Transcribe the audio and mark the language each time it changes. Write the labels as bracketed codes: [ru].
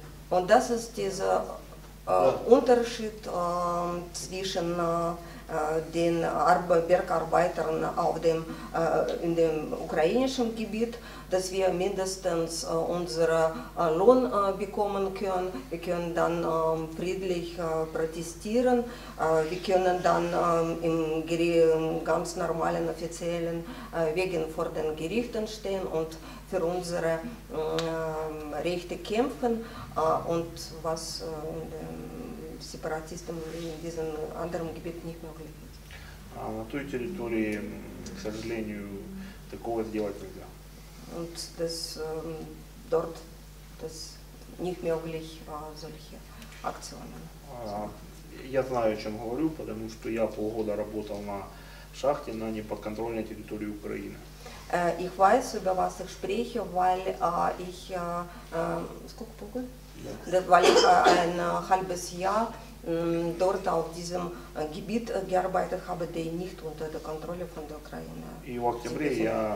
[de] Und das ist dieser Unterschied zwischen den Bergarbeitern auf dem, in dem ukrainischen Gebiet, dass wir mindestens unseren Lohn bekommen können. Wir können dann friedlich protestieren. Wir können dann im ganz normalen offiziellen Wegen vor den Gerichten stehen und für unsere Rechte kämpfen. Und was [ru] Сепаратистам в этом регионе не могли. На той территории, к сожалению, такого сделать нельзя. [de] Und das dort das nicht möglich solche Aktionen. [ru] Я знаю, о чем говорю, потому что я полгода работал на шахте на неподконтрольной территории Украины. [de] Ich weiß, über was ich spreche, weil ich [ru] сколько полгода? [de] Das war ich ein halbes Jahr dort auf diesem Gebiet gearbeitet habe, der nicht unter der Kontrolle von der Ukraine